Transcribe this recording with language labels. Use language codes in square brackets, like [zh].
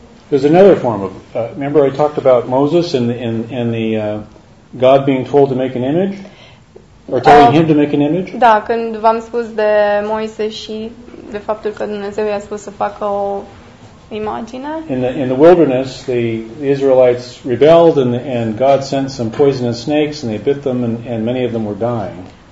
[en] There's another form of remember I talked about Moses and the God being told to make an image or telling him to make an image? [ro] Da, când v-am spus de Moise și de faptul că Dumnezeu i-a spus să facă o imagine. [en] In the wilderness, the Israelites rebelled and God sent some poisonous snakes and they bit them and many of them were dying.